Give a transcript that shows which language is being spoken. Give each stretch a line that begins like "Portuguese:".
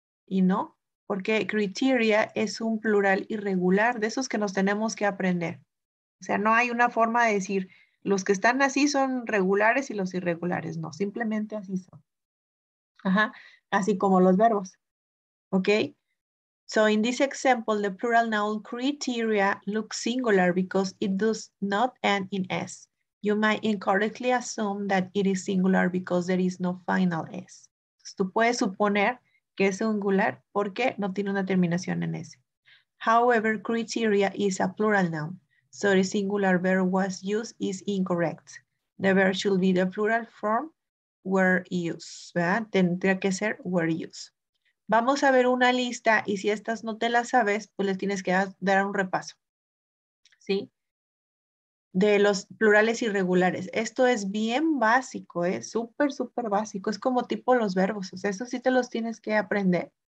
Spanish: Y no, porque criteria es un plural irregular, de esos que nos tenemos que aprender. O sea, no hay una forma de decir, los que están así son regulares y los irregulares, no, simplemente así son. Ajá, así como los verbos, ¿ok?
English: So in this example, the plural noun criteria looks singular because it does not end in S. You might incorrectly assume that it is singular because there is no final S.
Spanish: Tú puedes suponer que es singular porque no tiene una terminación en S.
English: However, criteria is a plural noun. So the singular verb was used is incorrect. The verb should be the plural form were used.
Spanish: ¿Verdad? Tendría que ser
English: were used.
Spanish: Vamos a ver una lista y si estas no te las sabes, pues les tienes que dar un repaso. ¿Sí? De los plurales irregulares. Esto es bien básico, es súper, súper básico. Es como tipo los verbos. O sea, eso sí te los tienes que aprender.